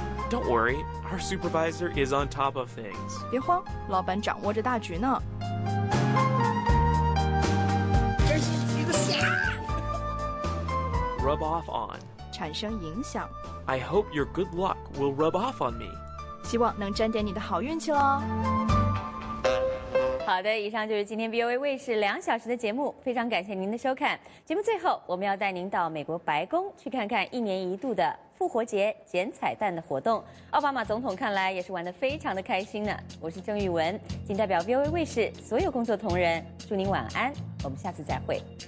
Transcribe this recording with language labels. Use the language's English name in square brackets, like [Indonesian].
[English] Don't worry, our supervisor is on top of things. [Chinese] 别慌，老板掌握着大局呢。 [English] Rub off on. [Chinese] 产生影响。 [English] I hope your good luck will rub off on me. [Chinese] 希望能沾点你的好运气喽。好的，以上就是今天 VOA 卫视2小时的节目，非常感谢您的收看。节目最后，我们要带您到美国白宫去看看一年一度的复活节剪彩蛋的活动。奥巴马总统看来也是玩得非常的开心呢。我是郑玉文，仅代表 VOA 卫视所有工作同仁，祝您晚安，我们下次再会。